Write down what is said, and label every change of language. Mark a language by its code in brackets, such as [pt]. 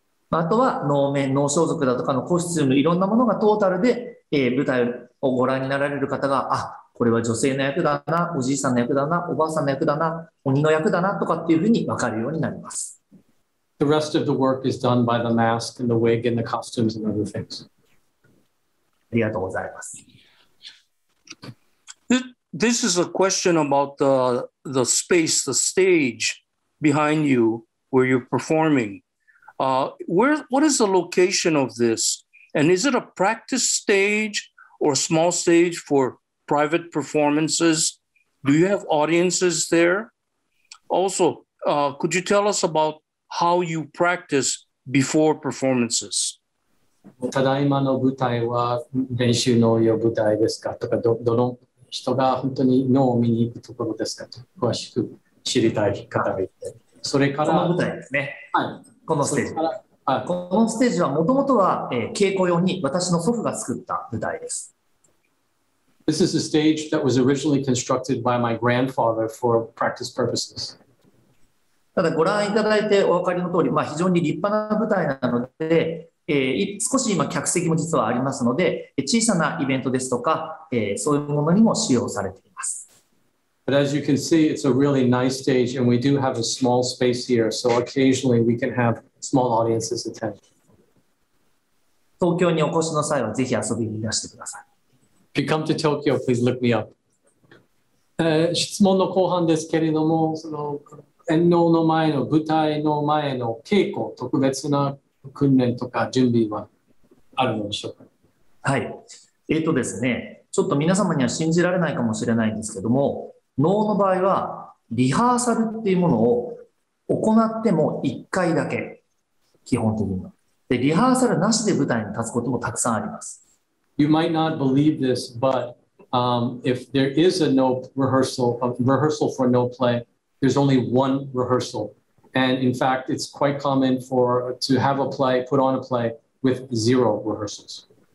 [ja] あとは能面、能装束だとかのコスチューム、いろんなものがトータルで、舞台をご覧になられる方が、あ、これは女性の役だな、おじいさんの役だな、おばあさんの役だな、鬼の役だなとかっていうふうに分かるようになります。 [en] The rest of the work is done by the mask and the wig and the costumes and other things. [ja] ありがとうございます。 [en] This is a question about the space, the stage behind you where you're performing. What is the location of this? And is it a practice stage or small stage for? Private performances. Do you have audiences there? Also, could you tell us about how you practice before performances? [ja] ただいまの舞台は練習の用舞台ですかとか、どの人が本当に能を見に行くところですかと詳しく知りたい方がいて、それからこの舞台ですね。はい、このステージ。このステージはもともとは、稽古用に私の祖父が作った舞台です。 [en] This is a stage that was originally constructed by my grandfather for practice purposes. [ja] ただご覧いただいてお分かりの通り、まあ、非常に立派な舞台なので、少し今客席も実はありますので、小さなイベントですとか、そういうものにも使用されています。 [en] But as you can see, it's a really nice stage and we do have a small space here, so occasionally we can have small audiences attend. [ja] 東京にお越しの際はぜひ遊びにいらしてください。 [en] If you come to Tokyo, please look me up. [ja] 質問の後半ですけれども、その演能の前の舞台の前の稽古、特別な訓練とか準備はあるのでしょうか。はい。ですね、ちょっと皆様には信じられないかもしれないんですけども、能の場合はリハーサルっていうものを行っても1回だけ、基本的には。で、リハーサルなしで舞台に立つこともたくさんあります。 [en] You might not believe this, but if there is a no rehearsal, a rehearsal for no play, there's only one rehearsal. And in fact, it's quite common for to have a play, put on a play with zero rehearsals.